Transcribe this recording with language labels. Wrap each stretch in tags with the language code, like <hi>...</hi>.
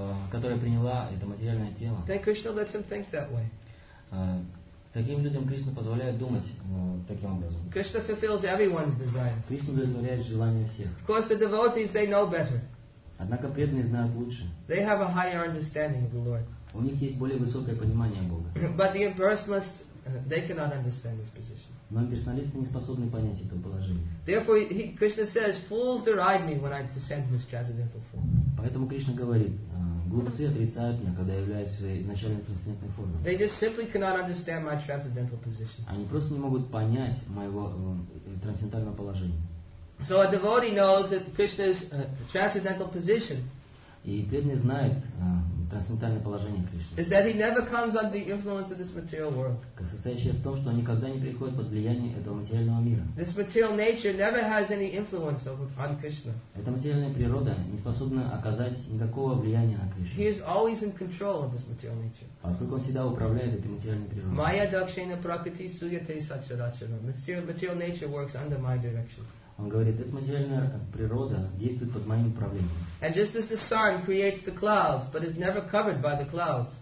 <ru>Которая приняла это материальное тело.</ru> <en>Then Krishna lets him think that way.</en> <ru>Таким людям Кришна позволяет думать таким образом.</ru> <en>Krishna fulfills everyone's desires.</en> <ru>Кришна удовлетворяет желания всех.</ru> <en>Of course, the devotees, they know better.</en> <ru>Однако преданные знают лучше.</ru> <en>They have a higher understanding of the Lord.</en> <ru>У них есть более высокое понимание Бога.</ru> <en>But the impersonalists, they cannot understand this position.</en> <ru>Но имперсоналисты не способны понять это положение.</ru> <en>Therefore, Krishna says, "Fools deride me when I descend in this transcendental form."</en> <ru>Поэтому Кришна говорит. Глупцы отрицают меня, когда являюсь своей изначальной трансцендентной формой.</ru> <en>They just simply cannot understand my transcendental position.</en> <ru>Они просто не могут понять моего трансцендентального положения.</ru> <en>So a devotee knows that Krishna's transcendental position.</en> <ru>И преданный знает трансцендентальное положение Кришны.</ru> <en>Is that he never comes under the influence of this material world.</en> <ru>Состоящее в том, что он никогда не приходит под влияние этого материального мира.</ru> <en>This material nature never has any influence on Krishna.</en> <ru>Эта материальная природа не способна оказать никакого влияния на Кришну.</ru> <en>He is always in control of this material nature.</en> <ru>Поскольку он всегда управляет этой материальной природой.</ru> <sa>Maya dakshina prakriti suyate sacharachara.</sa> <en>Material nature works under my direction.</en> <ru>Он говорит, эта материальная природа действует под моим управлением.</ru> <en>And just as the sun creates the clouds, but is never covered by the clouds.</en>